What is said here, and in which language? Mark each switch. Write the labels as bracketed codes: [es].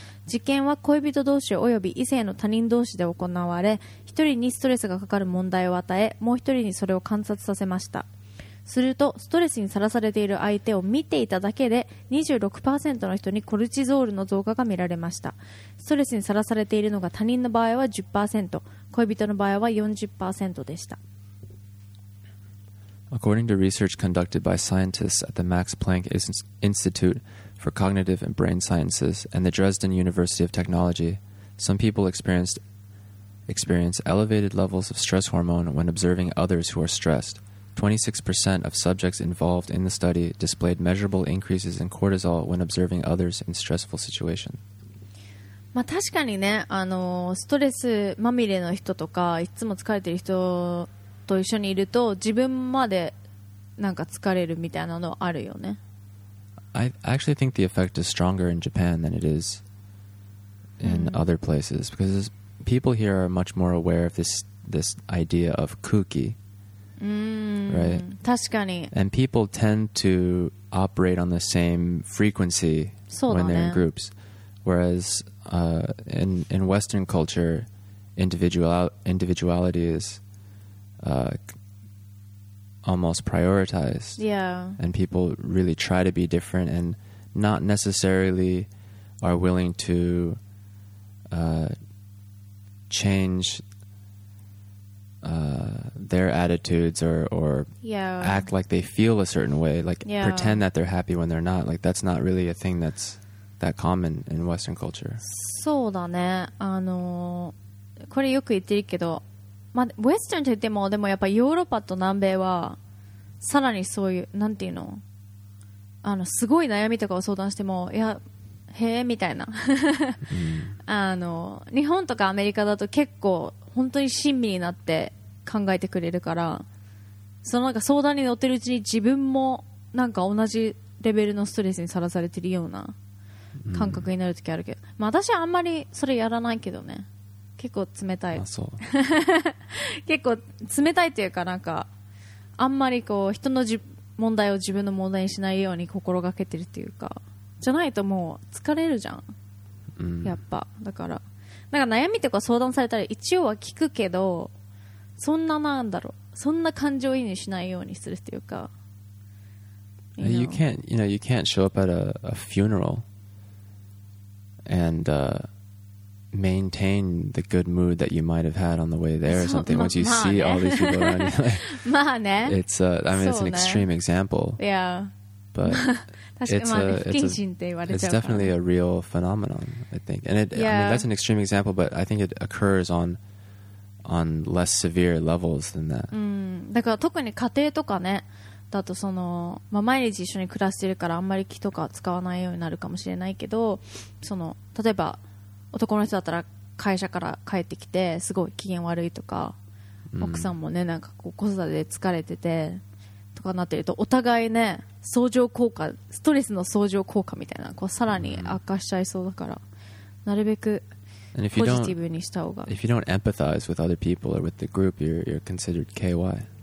[ja] 実験は恋人同士および異性の他人同士で行われ、1人にストレスがかかる問題を与え、もう1人にそれを観察させました。するとストレスにさらされている相手を見ていただけで 26% の人にコルチゾールの増加が見られました。ストレスにさらされているのが他人の場合は 10%、 恋人の場合は 40% でした。 [en] According to research conducted by scientists at the Max Planck Institute for Cognitive and Brain Sciences and the Dresden University of Technology, some people experience elevated levels of stress hormone when observing others who are stressed. 26% of subjects involved in the study displayed measurable increases in cortisol when observing others in stressful situations. [ja] まあ確かにね、ストレスまみれの人とか、いつも疲れてる人と一緒にいると自分までなんか疲れるみたいなのあるよね。 [en] I actually think the effect is stronger in Japan than it is in other places, because people here are much more aware of this idea of kooky. Right. [ja] 確かに。 [en] And people tend to operate on the same frequency when they're in groups. Whereas in Western culture, individuality is almost prioritized. Yeah. And people really try to be different and not necessarily are willing to change their attitudes or act like they feel a certain way, pretend that they're happy when they're not. Like, that's not really a thing that's that common in Western culture. [ja] そうだね。これよく言ってるけど、まあ、Western って言っても、でもやっぱヨーロッパと南米は、さらにそういう、なんていうの？すごい悩みとかを相談しても、いや、へえ、みたいな。日本とかアメリカだと結構、本当に親身になって考えてくれるから、そのなんか相談に乗ってるうちに自分もなんか同じレベルのストレスにさらされてるような感覚になるときあるけど、まあ、私はあんまりそれやらないけどね。結構冷たい。あ、そう。結構冷たいというか、なんかあんまりこう人の問題を自分の問題にしないように心がけてるっていうか、じゃないともう疲れるじゃん、やっぱ。だからなんか悩みとか相談されたら一応は聞くけど、そんな、なんだろう、そんな感情移入しないようにするっていうか。 [en] You know? You can't show up at a funeral and maintain the good mood that you might have had on the way there or something once you see all these people around you. [ja] まあね。 [en] It's an extreme example. Yeah. But [ja] 確かに不謹慎って言われちゃう。 [en] It's definitely a real phenomenon, I think. And I mean, that's an extreme example, but I think it occurs on less severe levels than that. [ja] だから特に家庭とかね、だとその、まあ、毎日一緒に暮らしてるからあんまり気とか使わないようになるかもしれないけど、その例えば男の人だったら会社から帰ってきてすごい機嫌悪いとか、奥さんもね、なんかこう子育てで疲れててとかなってると、お互いね、相乗効果、ストレスの相乗効果みたいな、こうさらに悪化しちゃいそうだから、なるべくポジティブにした方が。 [en] If you don't empathize with other people or with the group, you're considered KY.